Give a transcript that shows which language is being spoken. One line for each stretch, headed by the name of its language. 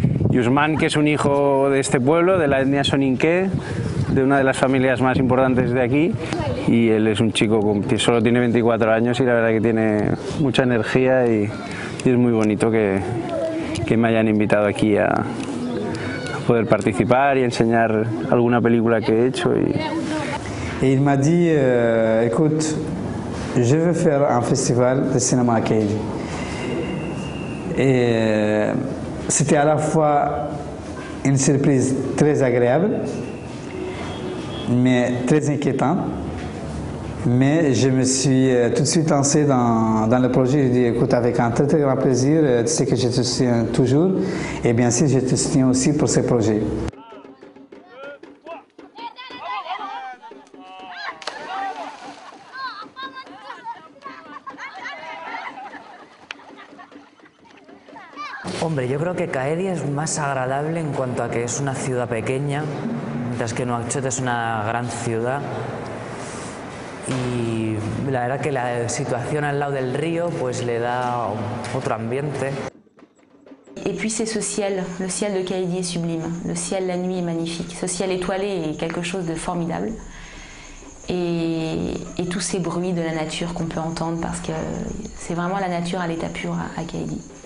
Spanish: Y Usman, que es un hijo de este pueblo, de la etnia Soninké, de una de las familias más importantes de aquí, y él es un chico que solo tiene 24 años y la verdad que tiene mucha energía, y es muy bonito que me hayan invitado aquí a poder participar y enseñar alguna película que he hecho.
French: Et il m'a dit, écoute, je veux faire un festival de cinéma à Caedi. Et c'était à la fois une surprise très agréable, mais très inquiétante. Mais je me suis tout de suite lancé dans le projet. J'ai dit, écoute, avec un très très grand plaisir, tu sais que je te soutiens toujours. Et bien sûr, je te soutiens aussi pour ce projet.
Spanish: Hombre, yo creo que Caedi es más agradable en cuanto a que es una ciudad pequeña, mientras que Nouakchott es una gran ciudad. Y la verdad que la situación al lado del río pues le da otro ambiente.
French: Et puis c'est ce ciel, le ciel de Caedi est sublime. Le ciel la nuit est magnifique. Ce ciel étoilé est quelque chose de formidable. Et tous ces bruits de la nature qu'on peut entendre, parce que c'est vraiment la nature à l'état pur à Caedi.